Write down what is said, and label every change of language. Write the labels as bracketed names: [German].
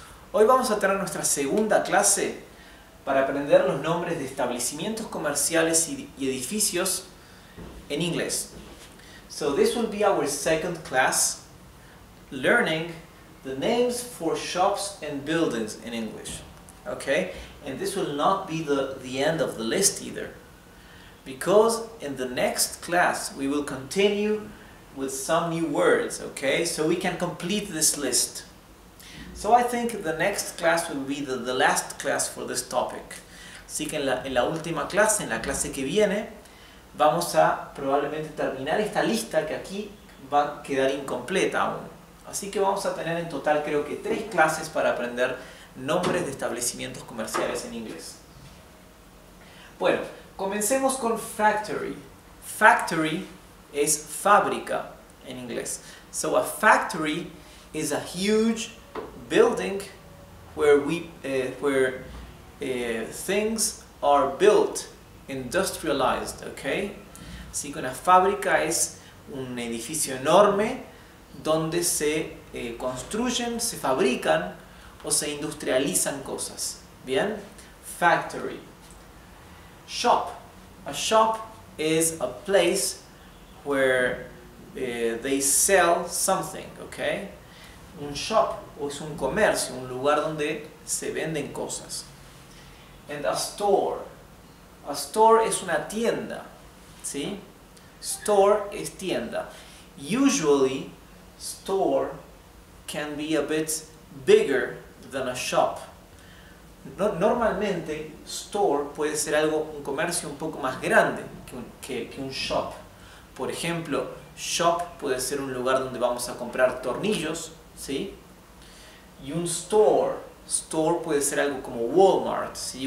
[Spanish] Hoy vamos a tener nuestra segunda clase para aprender los nombres de establecimientos comerciales y edificios en inglés. [English] So this will be our second class, learning the names for shops and buildings in English. Okay? And this will not be the end of the list either, because in the next class we will continue with some new words, okay? So we can complete this list. So I think the next class will be the last class for this topic. [Spanish] Así que en la última clase, en la clase que viene, vamos a probablemente terminar esta lista que aquí va a quedar incompleta aún. Así que vamos a tener en total creo que 3 clases para aprender nombres de establecimientos comerciales en inglés. Bueno, comencemos con factory. Factory es fábrica en inglés. [English] So a factory is a huge building where things are built, industrialized, okay? [Spanish] Así que una fábrica es un edificio enorme donde se construyen, se fabrican o se industrializan cosas, ¿bien? [English] Factory. Shop. A shop is a place where they sell something, okay? [Spanish] Un shop o es un comercio, un lugar donde se venden cosas. [English] And a store. A store [Spanish] es una tienda, ¿sí? Store es tienda. [English] Usually, store can be a bit bigger than a shop. [Spanish] Normalmente, store puede ser algo, un comercio un poco más grande que un shop. Por ejemplo, shop puede ser un lugar donde vamos a comprar tornillos, ¿sí? Y un store puede ser algo como Walmart, ¿sí?